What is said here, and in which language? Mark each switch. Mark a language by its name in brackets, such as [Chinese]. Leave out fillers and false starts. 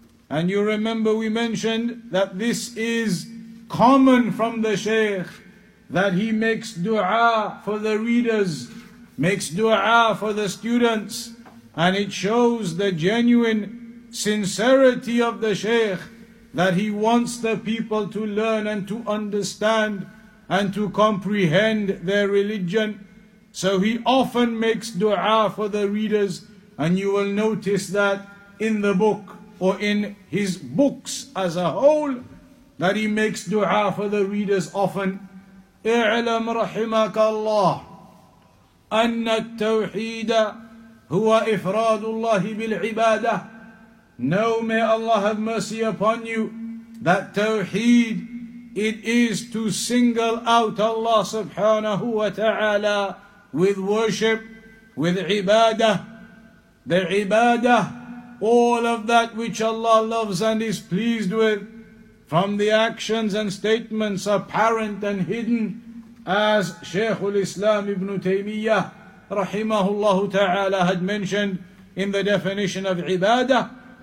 [English] And you remember we mentioned that this is common from the Shaykh, that he makes dua for the readers, makes dua for the students, and it shows the genuine sincerity of the Shaykh, that he wants the people to learn and to understand and to comprehend their religion. So he often makes dua for the readers, and you will notice that in the book or in his books as a whole, that he makes dua for the readers often. [Arabic] اعلم رحمك الله أن التوحيد هو إفراد الله بالعبادة. [English] Know, may Allah have mercy upon you, that Tawheed, it is to single out Allah subhanahu wa ta'ala with worship, with ibadah. The ibadah, all of that which Allah loves and is pleased with, from the actions and statements apparent and hidden, as Shaykhul Islam Ibn Taymiyyah rahimahullah ta'ala had mentioned in the definition of ibadah.